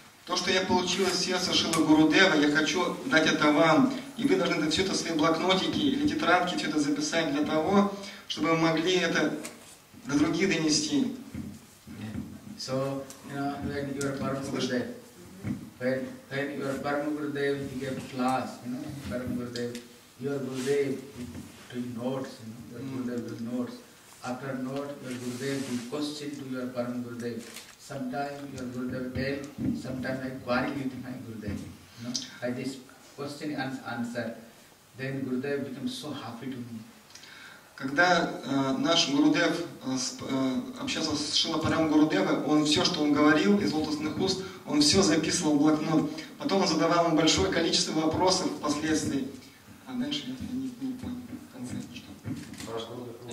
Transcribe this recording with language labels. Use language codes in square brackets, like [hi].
[ru] То, что я получил от сердца Шрилы Гурудева, я хочу дать это вам. И вы должны все это, свои блокнотики или тетрадки, все это записать для того, чтобы вы могли это до других донести. [en] So, you know, when your Param Gurudev, when your Param Gurudev, he gave class, you know, Param Gurudev, your Gurudev, he took notes, you know, your Gurudev took notes. After note, your Gurudev, he questioned to your Param Gurudev. Sometimes your Gurudev tell, sometimes I quarrel with my Gurudev, you know, by this question and answer, then Gurudev becomes so happy to me. [ru] Когда наш Гурудев общался с Шрилой Парам Гурудевой, он все, что он говорил из лотосных уст, он все записывал в блокнот. Потом он задавал ему большое количество вопросов впоследствии. А дальше я не понял, в конце что?